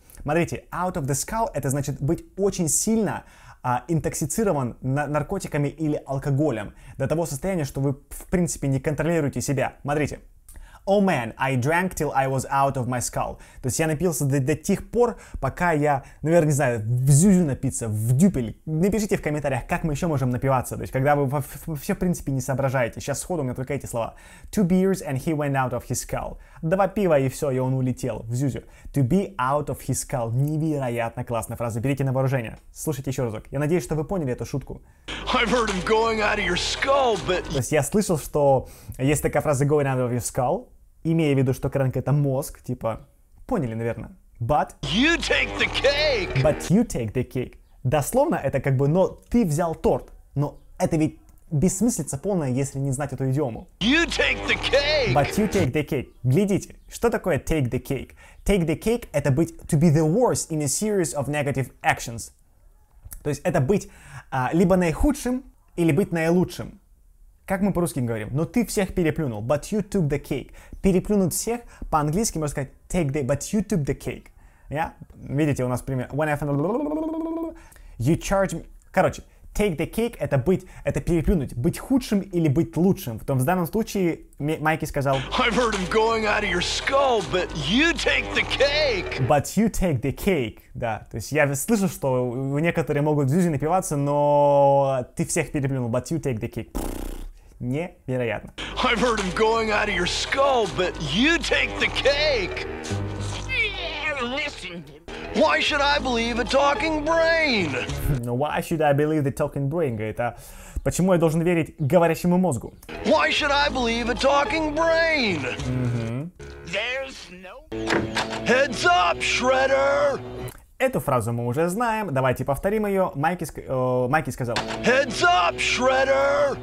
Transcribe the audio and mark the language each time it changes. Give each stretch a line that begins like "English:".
Russian: Смотрите,
English: out of the skull
Russian: – это значит быть очень сильно интоксицирован наркотиками или алкоголем до того состояния, что вы, в принципе, не контролируете себя. Смотрите.
English: Oh man, I drank till I was out of my skull.
Russian: То есть я напился до тех пор, пока я, наверное, не знаю, в зюзю напиться, в дюпель. Напишите в комментариях, как мы еще можем напиваться, то есть когда вы вообще, в принципе, не соображаете. Сейчас сходу у меня только эти слова.
English: Two beers and he went out of his skull.
Russian: Два пива и все, и он улетел в зюзю.
English: To be out of his skull.
Russian: Невероятно классная фраза. Берите на вооружение. Слушайте еще разок. Я надеюсь, что вы поняли эту шутку.
English: I've heard him going out of your skull, but...
Russian: То есть я слышал, что есть такая фраза
English: going out of your skull.
Russian: Имея в виду, что крэнк это мозг, типа, поняли, наверное.
English: But you take the cake. But you take the cake.
Russian: Дословно это как бы, но ты взял торт. Но это ведь бессмыслица полная, если не знать эту идиому.
English: You take the cake. But you take the cake.
Russian: Глядите, что такое
English: take the cake? Take the cake
Russian: это быть,
English: to be the worst in a series of negative actions.
Russian: То есть это быть либо наихудшим, или быть наилучшим. Как мы по-русски говорим? Но ты всех переплюнул.
English: But you took the cake.
Russian: Переплюнуть всех, по-английски можно сказать
English: take the, but you took the cake. Yeah?
Russian: Видите, у нас пример.
English: When I found... You charge me...
Russian: Короче,
English: take the cake
Russian: — это быть, это переплюнуть, быть худшим или быть лучшим. В том, в данном случае Майки сказал:
English: I've heard him going out of your skull, but you take the cake. But you take the cake,
Russian: да. То есть я слышал, что некоторые могут в жизни напиваться, но ты всех переплюнул,
English: but you take the cake.
Russian: Невероятно.
English: I've heard him going out of your skull, but you take the cake. Listen. Why should I believe a talking brain? No, why should I believe the talking brain?
Russian: Это почему я должен верить говорящему мозгу?
English: Why should I believe a talking brain? There's no heads up, Shredder.
Russian: Эту фразу мы уже знаем. Давайте повторим ее. Майки сказал:
English: Heads up, Shredder.